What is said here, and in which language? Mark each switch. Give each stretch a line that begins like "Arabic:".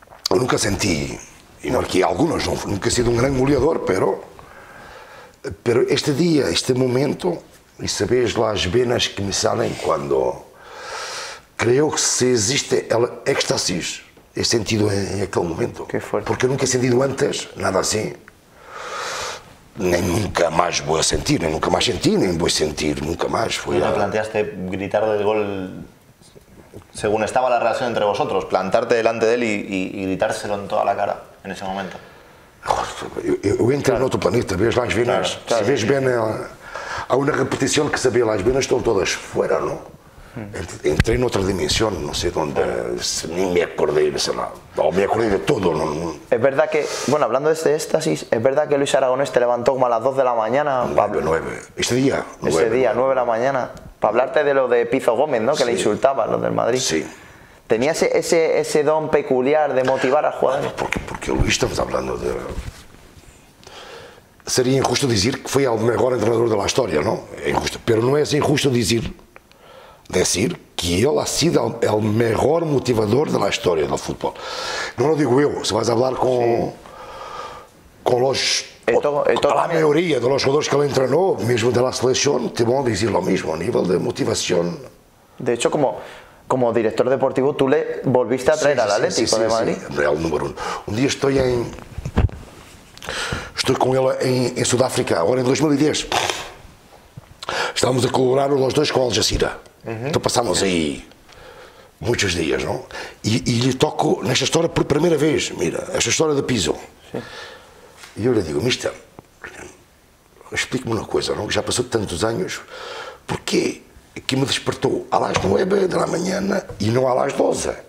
Spanish: Yo nunca sentí, y marqué algunos, ¿no? Nunca he sido un gran goleador, pero este día, este momento, y sabes las venas que me salen cuando creo que se existe el éxtasis, he sentido en aquel momento. Qué fuerte. Porque nunca he sentido antes nada así.
Portuguese: Nem nunca mais vou sentir, nem nunca mais senti, nem vou sentir nunca mais. Foi a...
Spanish: planteaste gritar del gol según estaba la relación entre vosotros, plantarte delante de él y gritárselo en toda la cara en ese momento.
Portuguese: Eu entrei claro. No outro planeta, vês lá as venas. Claro, claro. Se vês bem, há uma repetição que sabia lá as venas, estão todas fora, não? Entrei em outra dimensão, não sei de onde, nem me acordei, sei lá, ou me acordei de tudo. É verdade que,
Spanish: bueno, hablando de este éxtasis,
Portuguese: é verdade que
Spanish: Luis Aragonés
Portuguese: te levantou
Spanish: como a las 2 de la mañana.
Portuguese: 9, este dia.
Spanish: Este dia, 9 de la mañana, para hablarte de lo de Pizo Gómez, ¿no? Que sí. Le insultaba, lo del Madrid. Sí. Tenías ese don peculiar de motivar a jugadores. Bueno, porque Luis, estamos hablando de...
Portuguese: Seria injusto dizer que foi o melhor entrenador da história, ¿no? Injusto, pero não é injusto dizer...
Spanish: Decir que él ha sido el mejor motivador de la historia del fútbol. No lo digo yo, si vas a hablar con los... La mayoría de los jugadores que él entrenó, mismo de la selección, te van a decir lo mismo, a nivel de motivación. De hecho, como director deportivo, tú le volviste a traer al Atlético de Madrid. El número uno. Un día estoy con él en Sudáfrica, ahora en 2010. Estábamos a colaborar los dos con Al Jazeera.
Portuguese: Então passamos aí muitos dias, não? E lhe toco nesta história por primeira vez, mira, esta história de Pizo. E eu lhe digo, mister, explique-me uma coisa, não? Já passou tantos anos, porquê que me despertou a las 9 da manhã e não a las 12?